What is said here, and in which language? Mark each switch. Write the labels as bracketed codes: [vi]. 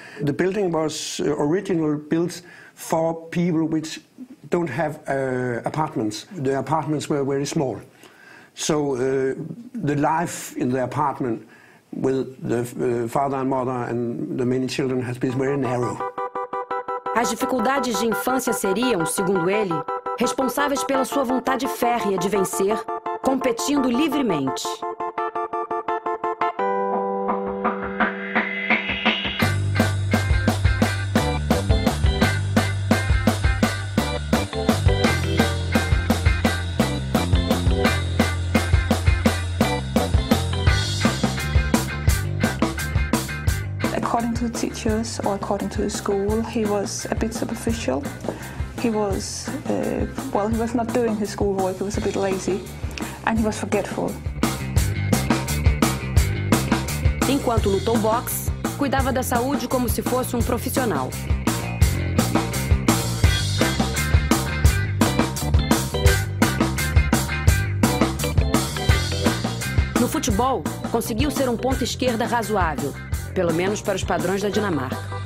[en] The building was originally built for people which don't have apartments. The apartments were very small. So the life in the apartment with the father and mother and the many children has been very narrow. [pt] As dificuldades de infância seriam, segundo ele, responsáveis pela sua vontade férrea de vencer, competindo livremente. [en] Teachers, or according to the school, he was a bit superficial. He was, he was not doing his schoolwork, he was a bit lazy, and he was forgetful. [pt] Enquanto lutou boxe, cuidava da saúde como se fosse profissional. No futebol, conseguiu ser ponta esquerda razoável. Pelo menos para os padrões da Dinamarca.